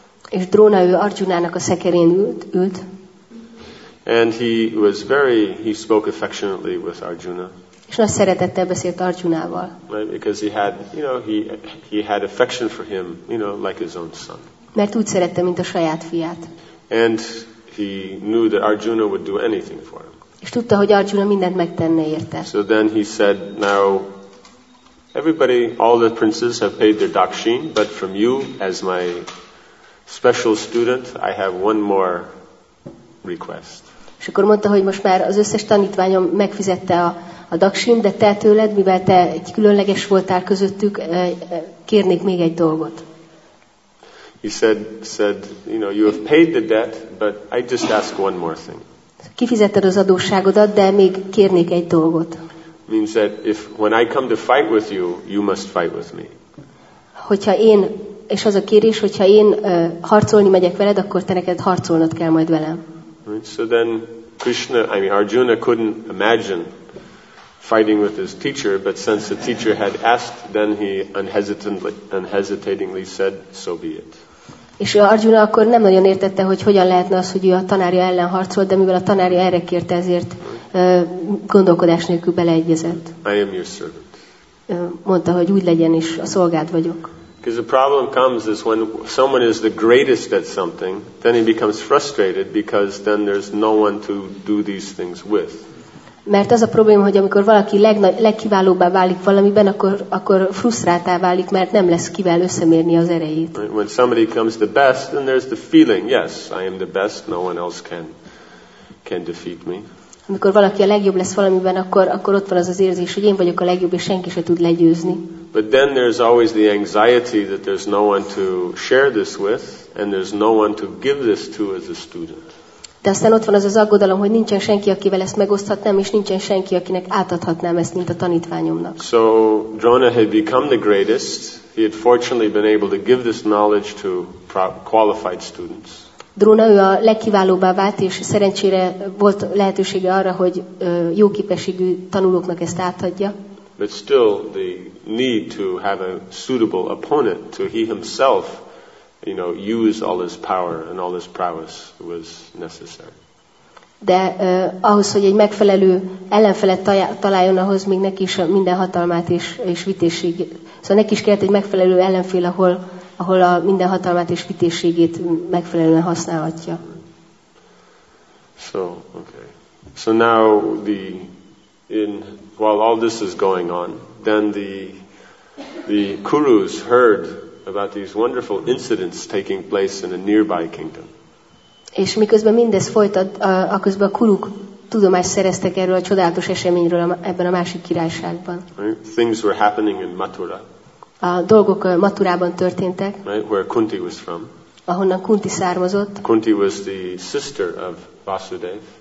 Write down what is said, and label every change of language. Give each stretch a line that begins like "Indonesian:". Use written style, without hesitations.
Hungarian: És Drona ő Arjunának a szekerén ült.
English: And he spoke affectionately with Arjuna.
Hungarian: És nagy szeretettel beszélt Arjunával.
English: Right, because he had, you know, he had affection for him, you know, like his own son.
Hungarian: Mert úgy szerette, mint a saját fiát.
English: And he knew that Arjuna would do anything for him.
Hungarian: És tudta, hogy Arjuna mindent megtenne érte.
English: So then he said, now everybody, all the princes have paid their dakshin, but from you, as my special student, I have one more request.
Hungarian: És akkor mondta, hogy most már az összes tanítványom megfizette a dakshin, de te tőled, mivel te egy különleges voltál közöttük, kérnék még egy dolgot.
English: He said, you know, you have paid the debt, but I just ask one more thing.
Hungarian: Kifizetted az adósságodat, de még kérnék egy dolgot.
English: Means that if when I come to fight with you, you must fight with me.
Hungarian: Hogyha én, és az a kérés, hogyha én harcolni megyek veled, akkor te neked harcolnod kell majd velem.
English: Right? So then Arjuna couldn't imagine fighting with his teacher, but since the teacher had asked, then he unhesitatingly said, so be it.
Hungarian: És Arjuna akkor nem nagyon értette, hogy hogyan lehetne az, hogy ő a tanárja ellen harcolt, de mivel a tanárja erre kérte, ezért gondolkodás nélkül beleegyezett.
English: I am your servant.
Hungarian: Mondta, hogy úgy legyen, és a szolgád vagyok.
English: Because the problem comes is when someone is the greatest at something, then he becomes frustrated because then there's no one to do these things with.
Hungarian: Mert az a probléma, hogy amikor valaki legkiválóbbá válik valamiben, akkor frusztráltá válik, mert nem lesz kivel összemérni az erejét.
English: When somebody comes the best, then there's the feeling, yes, I am the best, no one else can defeat me.
Hungarian: Amikor valaki a legjobb lesz valamiben, akkor ott van az érzés, hogy én vagyok a legjobb, és senki se tud legyőzni.
English: But then there's always the anxiety that there's no one to share this with, and there's no one to give this to as a student.
Hungarian: De aztán ott van az az aggodalom, hogy nincsen senki, akivel ezt megoszthatnám, és nincsen senki, akinek átadhatnám ezt, mint a tanítványomnak.
English: So Drona had become the greatest. He had fortunately been able to give this knowledge to qualified students.
Hungarian: Drona ő a legkiválóbbá vált, és szerencsére volt lehetősége arra, hogy jó képességű tanulóknak ezt átadja.
English: But still the need to have a suitable opponent to he himself, you know, use all his power and all his prowess was necessary.
Hungarian: De ahhoz, hogy egy megfelelő ellenfelet találjon, ahhoz még neki is minden hatalmát és vitézségét. Szóval neki is kellett egy megfelelő ellenfél, ahol a minden hatalmát és vitézségét megfelelően használhatja.
English: So, okay. So now the while all this is going on, then the Kurus heard about these wonderful incidents taking place in a nearby kingdom.
Hungarian: És miközben mindez folyt, aközben a kuruk tudomást szereztek erről a csodálatos eseményről ebben a másik királyságban.
English: Things were happening in Mathura.
Hungarian: A dolgok Mathurában történtek.
English: Right, where Kunti was from.
Hungarian: Ahonnan Kunti származott.
English: Kunti was the sister of Vasudev.